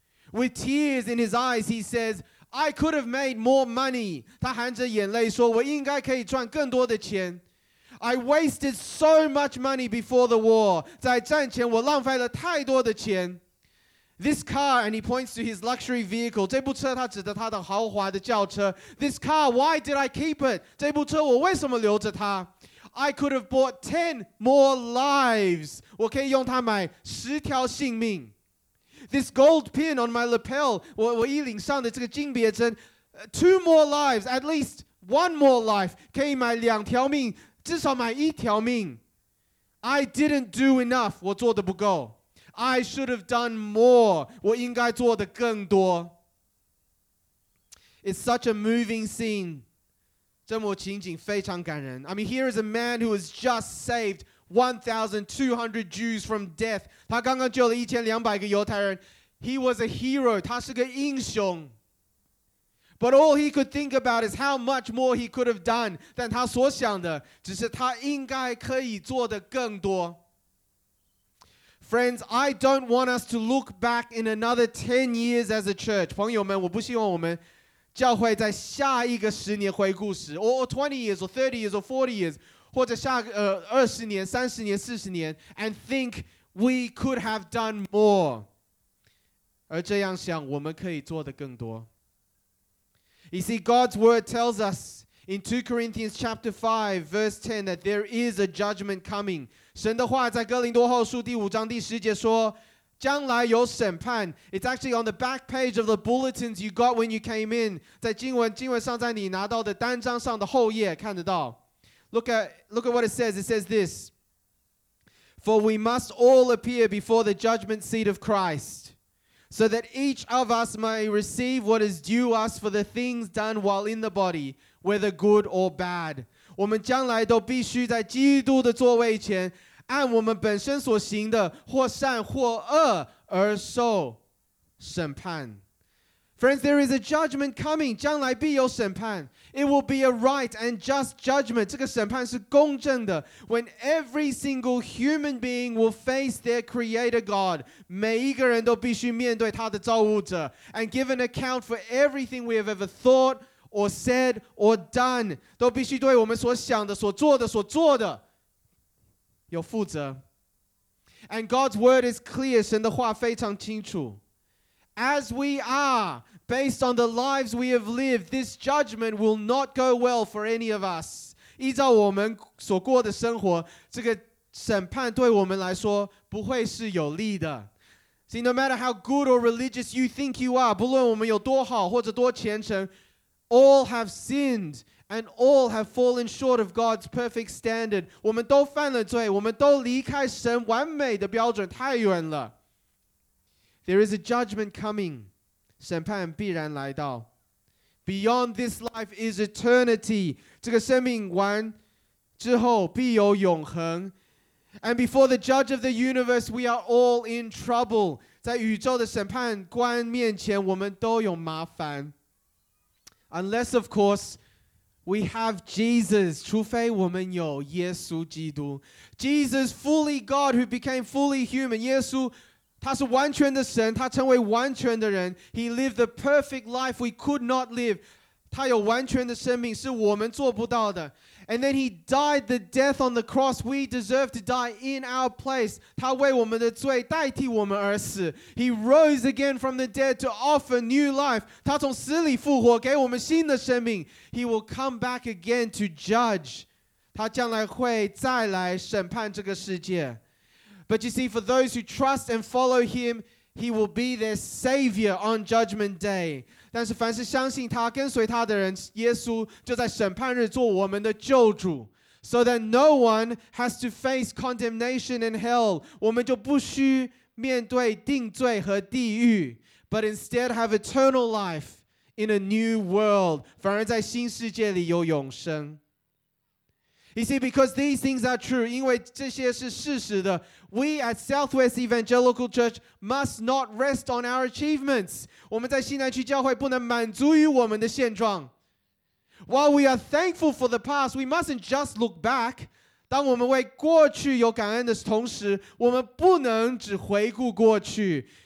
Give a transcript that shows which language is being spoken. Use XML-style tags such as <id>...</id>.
<en>With tears in his eyes, he says, I could have made more money.</en> <zh>他含着眼泪说,我应该可以赚更多的钱。</zh> <en>I wasted so much money before the war.</en> <zh>在战前我浪费了太多的钱。</zh> <en>This car, and he points to his luxury vehicle.</en> <zh>这部车他指着他的豪华的轿车。</zh> <en>This car, why did I keep it?</en> <zh>这部车我为什么留着它?</zh> <en>I could have bought 10 more lives.</en> <zh>我可以用它买十条性命。</zh> <en>This gold pin on my lapel,</en> <zh>我衣领上的这个金别针,</zh> <en>2 more lives, at least 1 more life,</en> <zh>可以买两条命,至少买一条命。</zh> <en>I didn't do enough,</en> <zh>我做的不够。</zh> <en>I should have done more.</en> <zh>我应该做的更多。</zh> <en>It's such a moving scene.</en> <zh>这幕情景非常感人。</zh> <en>I mean, here is a man who has just saved 1,200 Jews from death.</en> <zh>他刚刚救了1,200个犹太人.</zh> <en>He was a hero.</en> <zh>他是个英雄.</zh> <en>But all he could think about is how much more he could have done.</en> <zh>但他所想的只是他应该可以做的更多.</zh> <en>Friends, I don't want us to look back in another 10 years as a church.</en> <zh>朋友们,我不希望我们教会在下一个十年回顾时,</zh> <en>or 20 years, or 30 years, or 40 years,</en> <zh>或者下20年,30年,40年,</zh> <en>and think we could have done more.</en> <zh>而这样想,我们可以做得更多.</zh> <en>You see, God's word tells us in 2 Corinthians chapter 5, verse 10, that there is a judgment coming.</en> <zh>神的话在哥林多后书第五章第十节说, 将来有审判.</zh> <en>It's actually on the back page of the bulletins you got when you came in.</en> <zh>在经文上在你拿到的单张上的后页看得到.</zh> <en>Look at what it says. It says this: For we must all appear before the judgment seat of Christ, so that each of us may receive what is due us for the things done while in the body, whether good or bad.</en> <zh>我们将来都必须在基督的座位前, 按我们本身所行的或善或恶而受审判.</zh> <en>Friends, there is a judgment coming.</en> <zh>将来必有审判.</zh> <en>It will be a right and just judgment.</en> <zh>这个审判是公正的.</zh> <en>When every single human being will face their creator God,</en> <zh>每一个人都必须面对他的造物者,</zh> <en>and give an account for everything we have ever thought or said or done.</en> <zh>都必须对我们所想的、所做的、所做的 有负责.</zh> <en>And God's word is clear.</en> <zh>神的话非常清楚.</zh> <en>As we are, based on the lives we have lived, this judgment will not go well for any of us.</en> <zh>依照我们所过的生活, 这个审判对我们来说不会是有利的.</zh> <en>See, no matter how good or religious you think you are,</en> <zh>不论我们有多好或者多虔诚,</zh> <en>all have sinned and all have fallen short of God's perfect standard.</en> <zh>我们都犯了罪, 我们都离开神完美的标准太远了.</zh> <en>There is a judgment coming.</en> <zh>审判必然来到.</zh> <en>Beyond this life is eternity.</en> <zh>这个生命完之后必有永恒.</zh> <en>And before the judge of the universe, we are all in trouble.</en> <zh>在宇宙的审判官面前我们都有麻烦.</zh> <en>Unless, of course, we have Jesus,</en> <zh>除非我们有耶稣基督.</zh> <en>Jesus, fully God, who became fully human.</en> <zh>耶稣,他是完全的神, 他成为完全的人.</zh> <en>He lived the perfect life we could not live.</en> <zh>他有完全的生命, 是我们做不到的.</zh> <en>And then he died the death on the cross. We deserve to die in our place.</en> <zh>他为我们的罪代替我们而死.</zh> <en>He rose again from the dead to offer new life.</en> <zh>他从死里复活, 给我们新的生命.</zh> <en>He will come back again to judge.</en> <zh>他将来会再来审判这个世界.</zh> <en>But you see, for those who trust and follow him, he will be their savior on judgment day.</en> <zh>但是凡是相信他跟随他的人, 耶稣就在审判日做我们的救主.</zh> <en>So that no one has to face condemnation in hell.</en> <zh>我们就不需面对定罪和地狱,</zh> <en>but instead have eternal life in a new world.</en> <zh>反而在新世界里有永生.</zh> <en>You see, because these things are true,</en> <zh>因为这些是事实的,</zh> <en>we at Southwest Evangelical Church must not rest on our achievements.</en> <zh>我们在新南区教会不能满足于我们的现状.</zh> <en>While we are thankful for the past, we mustn't just look back.</en> <zh>当我们为过去有感恩的同时, 我们不能只回顾过去.</zh>